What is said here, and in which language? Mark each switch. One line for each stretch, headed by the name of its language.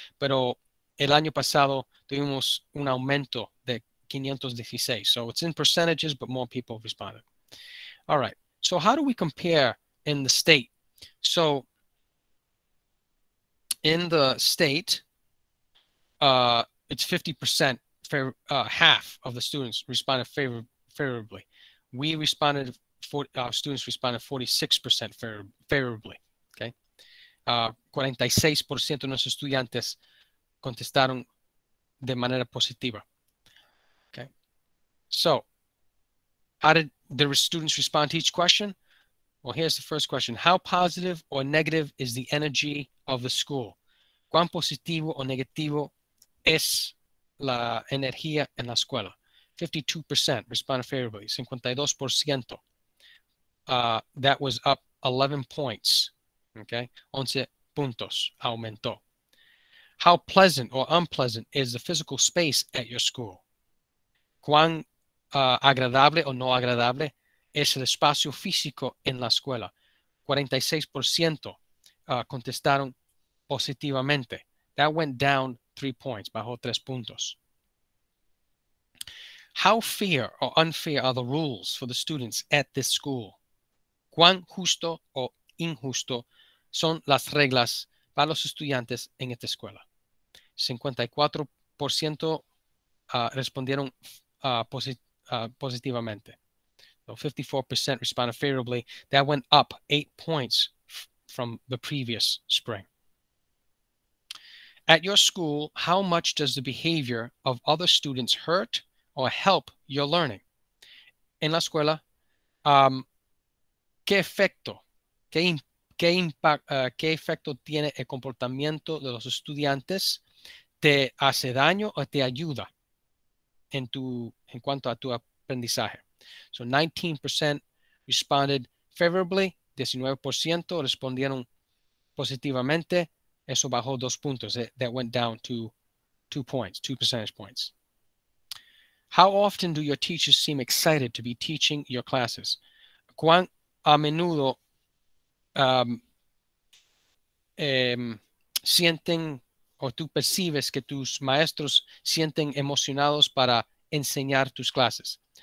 Spanish: Pero el año pasado tuvimos un aumento de 516.
English: So it's in percentages, but more people responded. All right. So how do we compare in the state? So in the state, it's 50%, half of the students responded favorably. We responded, our students responded 46% favorably, okay?
Spanish: 46% de nuestros estudiantes contestaron de manera positiva, okay?
English: So, how did the students respond to each question? Well, here's the first question. How positive or negative is the energy of the school?
Spanish: ¿Cuán positivo o negativo es la energía en la escuela?
English: 52% responded favorably. 52%. That was up 11 points. Okay.
Spanish: 11 puntos aumentó.
English: How pleasant or unpleasant is the physical space at your school?
Spanish: ¿Cuán agradable o no agradable es el espacio físico en la escuela? 46% contestaron positivamente.
English: That went down 3 points,
Spanish: bajo 3 puntos.
English: How fair or unfair are the rules for the students at this school?
Spanish: ¿Cuán justo o injusto son las reglas para los estudiantes en esta escuela? 54% respondieron positivamente.
English: So 54% responded favorably. That went up 8 points from the previous spring. At your school, how much does the behavior of other students hurt or help your learning?
Spanish: En la escuela, ¿qué efecto tiene el comportamiento de los estudiantes? ¿Te hace daño o te ayuda en cuanto a tu aprendizaje?
English: So 19% responded favorably, 19%
Spanish: respondieron positivamente, eso bajó dos puntos.
English: That went down to 2 points, 2 percentage points. How often do your teachers seem excited to be teaching your classes?
Spanish: ¿Cuán a menudo sienten o tú percibes que tus maestros sienten emocionados para enseñar tus clases?